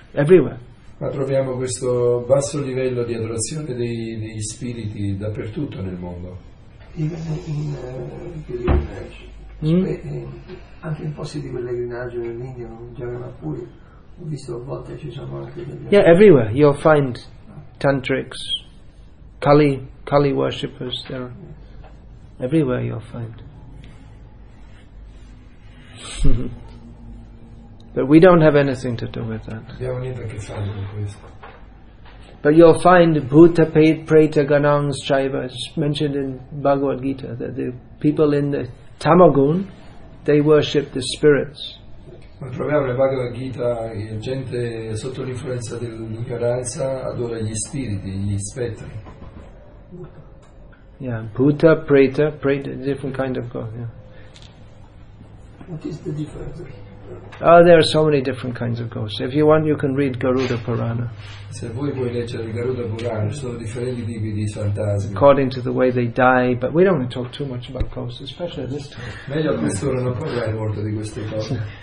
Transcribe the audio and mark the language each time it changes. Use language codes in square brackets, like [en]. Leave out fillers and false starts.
[en] everywhere. [it] Ma troviamo questo basso livello di adorazione degli spiriti dappertutto nel mondo. Anche in posti di pellegrinaggio nell'India, non già nella Puri, ho visto a volte ci sono anche degli. [en] Yeah, everywhere you'll find tantrics, Kali worshippers there. Everywhere you'll find. But we don't have anything to do with that. But you'll find Bhuta Preta Ganang Shaiva mentioned in Bhagavad Gita, that the people in the Tamagun, they worship the spirits. [it] Ma troviamo nel Bhagavad Gita gente sotto l'influenza dell'ignoranza adora gli spiriti, gli spettri. [en] Yeah, Bhuta Preta, Preta, different kind of God, yeah. What is the difference? Oh, there are so many different kinds of ghosts. If you want, you can read Garuda Purana. [it] Se vuoi puoi leggere Garuda Purana, sono differenti tipi di fantasmi. [en] According to the way they die, but we don't want to talk too much about ghosts, especially at this time. [it] Meglio a quest'ora non parlare molto di queste cose.